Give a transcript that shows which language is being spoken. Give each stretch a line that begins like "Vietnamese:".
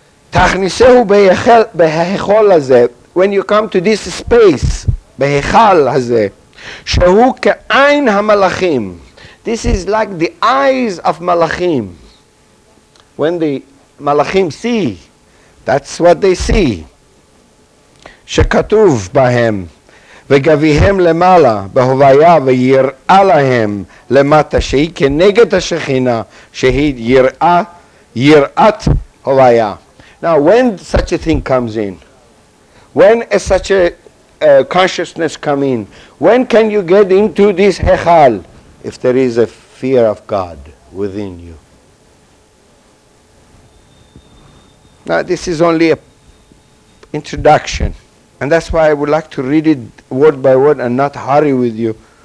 Hebrew: Tachnisehu behechol hazeh,
English: when you come to this space,
Hebrew: בהיכל הזה, שהוא כעין המלאכים.
English: This is like the eyes of מלאכים. When the מלאכים see, that's what they see.
Hebrew: שכתוב בהם, וגביהם למעלה, בהוויה, ויראה להם למטה, שהיא כנגד השכינה, שהיא יראת הוויה.
English: Now, when such a thing comes in, when is such a consciousness come in. When can you get into this hechal? If there is a fear of God within you. Now this is only an introduction. And that's why I would like to read it word by word and not hurry with you.